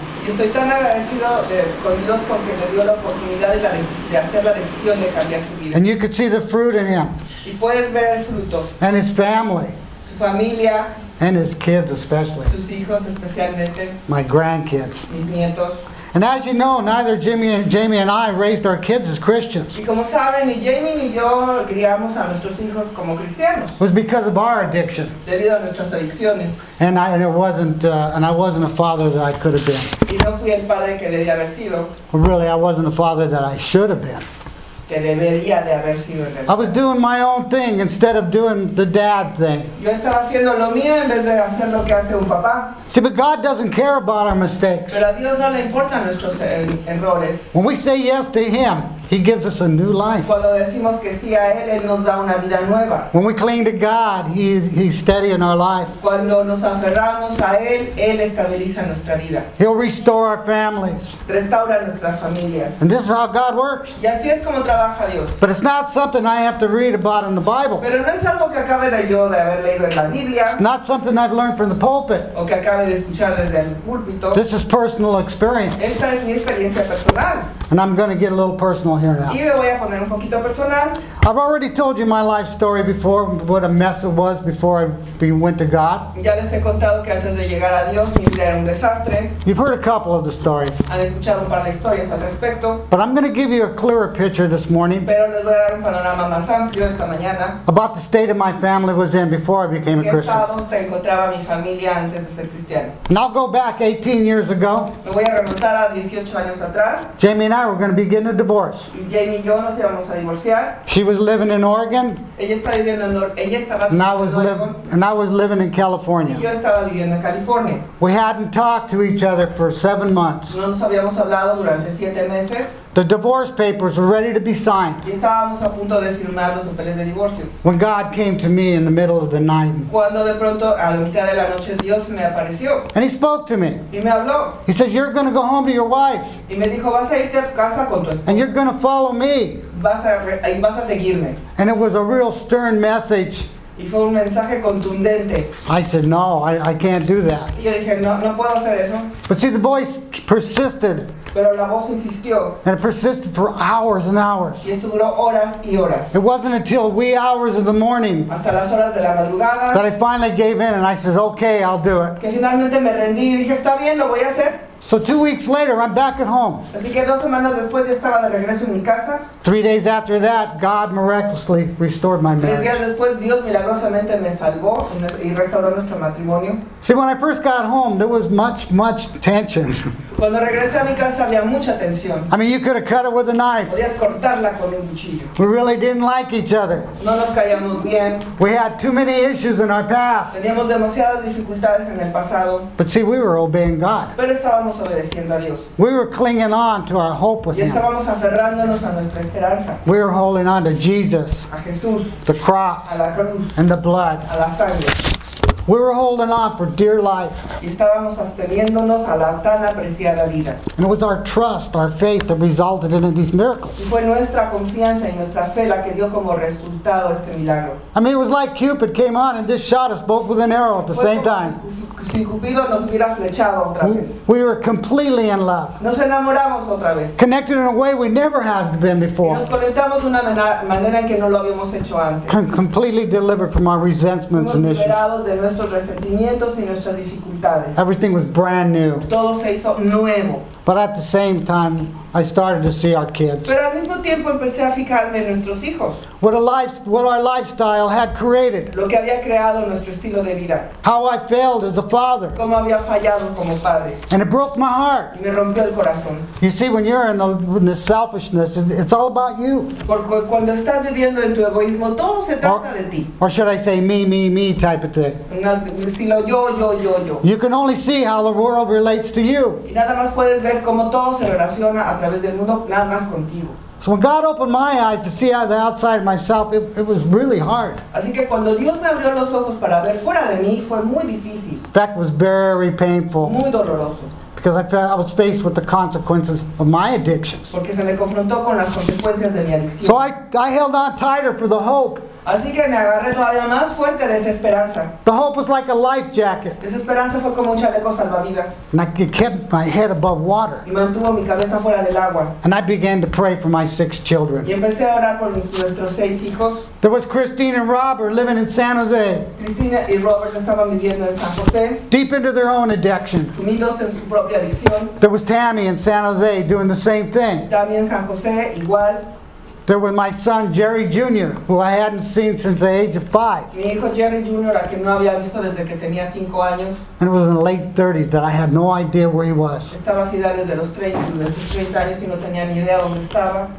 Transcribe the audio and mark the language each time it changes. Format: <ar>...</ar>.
<en>And you could see the fruit in him.</en> <es>Y puedes ver el fruto.</es> <en>And his family.</en> <es>Su familia.</es> <en>And his kids especially.</en> <es>Sus hijos especialmente.</es> <en>My grandkids.</en> <es>Mis nietos.</es> <en>And as you know, neither Jamie and I raised our kids as Christians.</en> <es>Y como saben, ni Jamie ni yo criamos a nuestros hijos como cristianos.</es> <en>It was because of our addiction.</en> <es>Debido a nuestras adicciones.</es> <en>And I wasn't a father that I could have been.</en> <es>Y no fui el padre que debía haber sido.</es> <en>Really, I wasn't a father that I should have been.</en> <es>Que debería de haber sido.</es> <en>I was doing my own thing instead of doing the dad thing.</en> <es>Yo estaba haciendo lo mío en vez de hacer lo que hace un papá.</es> <en>See, but God doesn't care about our mistakes.</en> <es>Pero a Dios no le importan nuestros errores.</es> <en>When we say yes to him, he gives us a new life.</en> <es>Cuando decimos que sí a él, él nos da una vida nueva.</es> <en>When we cling to God, he's steady in our life.</en> <es>Cuando nos aferramos a él, él estabiliza nuestra vida.</es> <en>He'll restore our families.</en> <es>Restaura nuestras familias.</es> <en>And this is how God works.</en> <es>Y así es como trabaja Dios.</es> <en>But it's not something I have to read about in the Bible.</en> <es>Pero no es algo que acabe de yo de haber leído en la Biblia.</es> <en>It's not something I've learned from the pulpit.</en> <es>O que acabe de escuchar desde el púlpito.</es> <en>This is personal experience.</en> <es>Esta es mi experiencia personal.</es> <en>And I'm going to get a little personal here now.</en> <es>Y me voy a poner un poquito personal.</es> <en>I've already told you my life story before, what a mess it was before I went to God.</en> <es>Ya les he contado que antes de llegar a Dios, mi vida era un desastre.</es> <en>You've heard a couple of the stories.</en> <es>Han escuchado un par de historias al respecto.</es> <en>But I'm going to give you a clearer picture this morning.</en> <es>Pero les voy a dar un panorama más amplio esta mañana.</es> <en>About the state of my family was in before I became a Christian.</en> <es>¿En qué estado se encontraba mi familia antes de ser cristiano?</es> <en>And I'll go back 18 years ago.</en> <es>Me voy a remontar a 18 años atrás.</es> <en>Jamie and I were going to be getting a divorce.</en> <es>Jamie y yo nos íbamos a divorciar.</es> <en>She was living in Oregon.</en> <es>Ella estaba viviendo en Oregon. Ella estaba viviendo en Oregon.</es> <en>And I was living in California.</en> <es>Y yo estaba viviendo en California.</es> <en>We hadn't talked to each other for 7 months.</en> <es>No nos habíamos hablado durante 7 meses.</es> <en>The divorce papers were ready to be signed.</en> <es>Y estábamos a punto de firmar los papeles de divorcio.</es> <en>When God came to me in the middle of the night.</en> <es>Cuando de pronto, a la mitad de la noche, Dios me apareció.</es> <en>And he spoke to me.</en> <es>Y me habló.</es> <en>He said, you're going to go home to your wife.</en> <es>Y me dijo, vas a irte a tu casa con tu esposa.</es> <en>And you're going to follow me.</en> <es>Vas a seguirme.</es> <en>And it was a real stern message.</en> <es>Y fue un mensaje contundente.</es> <en>I said, no, I can't do that.</en> <es>Y yo dije, no, no puedo hacer eso.</es> <en>But see, the voice persisted.</en> <es>Pero la voz insistió.</es> <en>And it persisted for hours and hours.</en> <es>Y esto duró horas y horas.</es> <en>It wasn't until wee hours of the morning.</en> <es>Hasta las horas de la madrugada.</es> <en>That I finally gave in and I said, okay, I'll do it.</en> <es>Que finalmente me rendí y dije, está bien, lo voy a hacer.</es> <en>So 2 weeks later, I'm back at home.</en> <es>Así que dos semanas después, yo estaba de regreso en mi casa.</es> <en>3 days after that, God miraculously restored my marriage.</en> <es>3 días después, Dios milagrosamente me salvó y restauró nuestro matrimonio.</es> <en>See, when I first got home, there was much, much tension.</en> <es>Cuando regresé a mi casa, había mucha tensión.</es> <en>I mean, you could have cut it with a knife.</en> <es>Podías cortarla con un cuchillo.</es> <en>We really didn't like each other.</en> <es>No nos caíamos bien.</es> <en>We had too many issues in our past.</en> <es>Teníamos demasiadas dificultades en el pasado.</es> <en>But see, we were obeying God.</en> <es>Pero estábamos obedeciendo a Dios.</es> <en>We were clinging on to our hope with Him.</en> <es>Y estábamos aferrándonos a nuestra esperanza.</es> <en>We were holding on to Jesus.</en> <es>A Jesús.</es> <en>The cross.</en> <es>A la cruz.</es> <en>And the blood.</en> <es>A la sangre.</es> <en>We were holding on for dear life.</en> <es>Y estábamos sosteniéndonos a la tan apreciada vida.</es> <en>And it was our trust, our faith, that resulted in these miracles.</en> <es>Y fue nuestra confianza y nuestra fe la que dio como resultado este milagro.</es> <en>I mean, it was like Cupid came on and just shot us both with an arrow at the same time.</en> <es>Si Cupido nos hubiera flechado otra vez.</es> <en>We were completely in love.</en> <es>Nos enamoramos otra vez.</es> <en>Connected in a way we never had been before.</en> <es>Y nos conectamos de una manera en que no lo habíamos hecho antes.</es> <en>Completely delivered from our resentments and issues.</en> <es>Nuestros resentimientos y nuestras dificultades.</es> <en>Everything was brand new.</en> <es>Todo se hizo nuevo.</es> <en>But at the same time, I started to see our kids.</en> <es>Pero al mismo tiempo empecé a fijarme en nuestros hijos.</es> <en>what our lifestyle had created.</en> <es>Lo que había creado nuestro estilo de vida.</es> <en>How I failed as a father.</en> <es>Cómo había fallado como padre.</es> <en>And it broke my heart.</en> <es>Me rompió el corazón.</es> <en>You see, when you're in the selfishness, it's all about you.</en> <es>Porque cuando estás viviendo en tu egoísmo, todo se trata de ti.</es> <en>Or should I say me type of thing.</en> <es>Un estilo yo.</es> <en>You can only see how the world relates to you.</en> <es>Y nada más puedes ver cómo todo se relaciona a través del mundo, nada más contigo.</es> <en>So when God opened my eyes to see out the outside of myself, it was really hard.</en> <es>Así que cuando Dios me abrió los ojos para ver fuera de mí, fue muy difícil.</es> <en>In fact, it was very painful.</en> <es>Muy doloroso.</es> <en>Because I was faced with the consequences of my addictions.</en> <es>Porque se me confrontó con las consecuencias de mi adicción.</es> <en>So I held on tighter for the hope.</en> <es>Así que me agarré todavía más fuerte de esa esperanza.</es> <en>The hope was like a life jacket.</en> <es>Esa esperanza fue como un chaleco salvavidas.</es> <en>And I kept my head above water.</en> <es>Y mantuvo mi cabeza fuera del agua.</es> <en>And I began to pray for my 6 children.</en> <es>Y empecé a orar por nuestros 6 hijos.</es> <en>There was Christine and Robert living in San Jose.</en> <es>Cristina y Robert estaban viviendo en San José.</es> <en>Deep into their own addiction.</en> <es>Sumidos en su propia adicción.</es> <en>There was Tammy in San Jose doing the same thing.</en> <es>Tammy en San José igual.</es> <en>There was my son Jerry Jr., who I hadn't seen since the age of 5.</en> <es>Mi hijo Jerry Jr., a quien no había visto desde que tenía 5 años.</es> <en>And it was in the late 30s that I had no idea where he was.</en> <es>Estaba a finales de los 30 años y no tenía ni idea dónde estaba.</es>